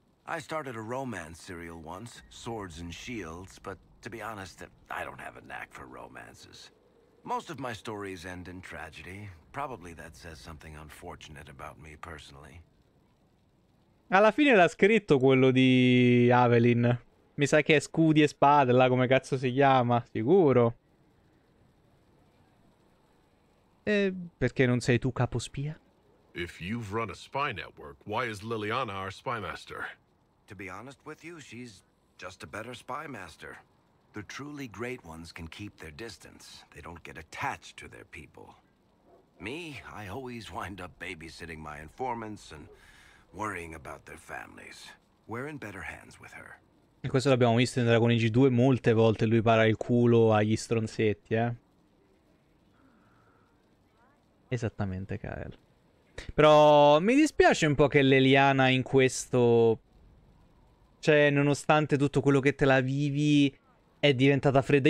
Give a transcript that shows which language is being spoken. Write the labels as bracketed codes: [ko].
[en] I started a romance serial once, Swords and Shields, but to be honest, I don't have a knack for romances. Most of my stories end in tragedy. Probably that says something unfortunate about me personally. [it] Alla fine l'ha scritto quello di Avelyn. Mi sa che è Scudi e Spade, là come cazzo si chiama, sicuro. E perché non sei tu capo spia? [en] If you've run a spy network, why is Liliana our spymaster? To be honest with you, she's just a better spymaster. The truly great ones can keep their distance. They don't get attached to their people. Me, I always wind up babysitting my informants and worrying about their families. We're in better hands with her. [it] E questo l'abbiamo visto in Dragon Age 2 molte volte, lui para il culo agli stronzetti, eh. Esattamente, Kael. Però mi dispiace un po' che Liliana in questo... Cioè, nonostante tutto quello che te la vivi, è diventata fredda.